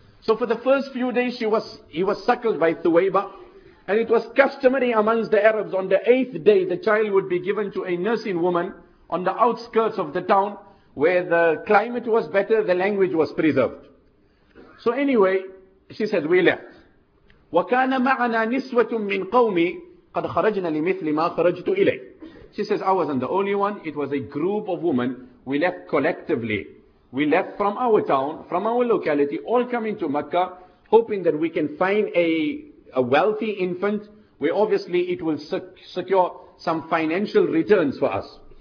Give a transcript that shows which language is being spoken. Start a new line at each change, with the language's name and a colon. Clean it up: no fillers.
English: So for the first few days he was suckled by Thuwaybah. And it was customary amongst the Arabs, on the 8th day the child would be given to a nursing woman on the outskirts of the town, where the climate was better, the language was preserved. So anyway, she said, we left.
Arabic: وكان معنا نسوة من قومي قد خرجنا لمثل ما خرجت إليه.
English: She says, I wasn't the only one. It was a group of women. We left collectively. We left from our town, from our locality, all coming to Mecca, hoping that we can find a wealthy infant, where obviously it will secure some financial returns for us.